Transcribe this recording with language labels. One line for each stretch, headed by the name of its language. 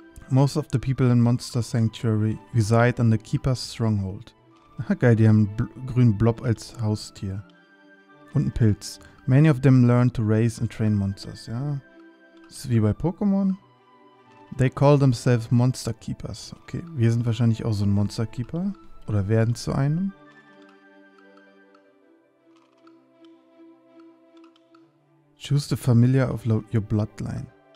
English: Most of the people in Monster Sanctuary reside on the Keeper's Stronghold.
German: Aha, geil, die haben einen grünen Blob als Haustier. Und einen Pilz.
English: Many of them learn to raise and train monsters, ja.
German: Das ist wie bei Pokémon.
English: They call themselves Monster Keepers.
German: Okay, wir sind wahrscheinlich auch so ein Monster Keeper. Oder werden zu einem.
English: Choose the familiar of your bloodline.